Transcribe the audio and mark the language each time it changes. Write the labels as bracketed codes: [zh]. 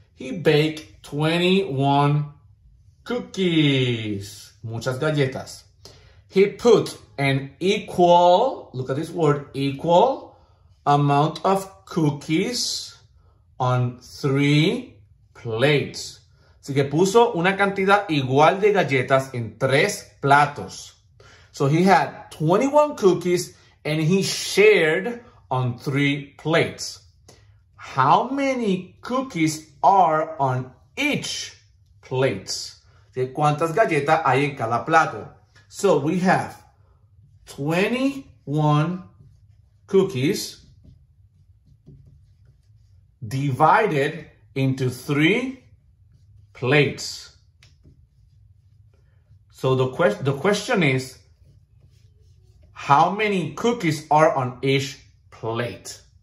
[en] He baked 21 cookies. [es] Muchas galletas. [en] He put an equal, look at this word, equal amount of cookies on 3 plates. [es] Así que puso una cantidad igual de galletas en 3 platos. [en] So he had 21 cookies and he shared on 3 plates. How many cookies are on each plate? [es] ¿De cuántas galletas hay en cada plato? [en] So we have 21 cookies divided into 3 plates. So the question is, how many cookies are on each plate?